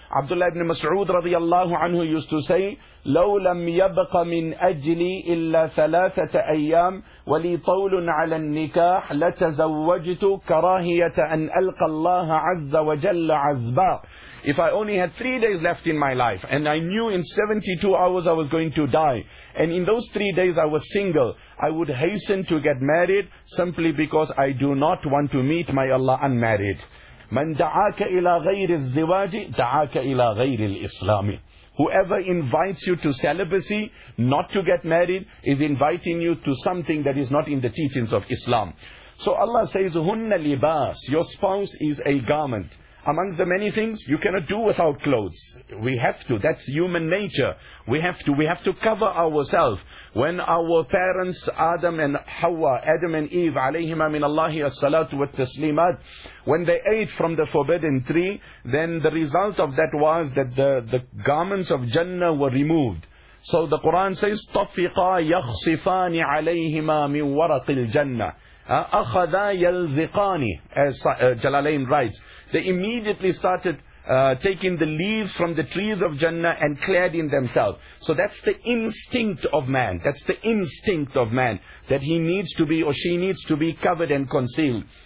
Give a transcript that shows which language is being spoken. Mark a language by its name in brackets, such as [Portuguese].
[English] Abdullah ibn Mas'ud radiyallahu anhu used to say, [Arabic] لَوْ لَمْ يَبْقَ مِنْ أَجْلِي إِلَّا ثَلَاثَةَ أَيَّامٍ وَلِي طَوْلٌ عَلَى النِّكَاحِ لَتَزَوَّجْتُ كَرَاهِيَةَ أَنْ أَلْقَ اللَّهَ عَزَّ وَجَلَّ عَزْبًا. [English] If I only had 3 days left in my life, and I knew in 72 hours I was going to die, and in those 3 days I was single, I would hasten to get married simply because I do not want to meet my Allah unmarried. [Arabic] مَنْ دَعَاكَ إِلَىٰ غَيْرِ الزِّوَاجِ دَعَاكَ إِلَىٰ غَيْرِ الْإِسْلَامِ. [English] Whoever invites you to celibacy, not to get married, is inviting you to something that is not in the teachings of Islam. So Allah says, هُنَّ libas, your spouse is a garment. Amongst the many things, you cannot do without clothes. We have to. That's human nature. We have to cover ourselves. When our parents, Adam and Hawa, Adam and Eve, alayhima min Allahi as-salatu wa taslimat, when they ate from the forbidden tree, then the result of that was that the garments of Jannah were removed. So the Quran says, [Arabic] طَفِقَا يَخْصِفَانِ عَلَيْهِمَا مِنْ وَرَقِ الْجَنَّةِ. أَخَذَا يَلْزِقَانِ, [English] as Jalalain writes, they immediately started taking the leaves from the trees of Jannah and cladding themselves. So that's the instinct of man. That's the instinct of man, that he needs to be, or she needs to be, covered and concealed.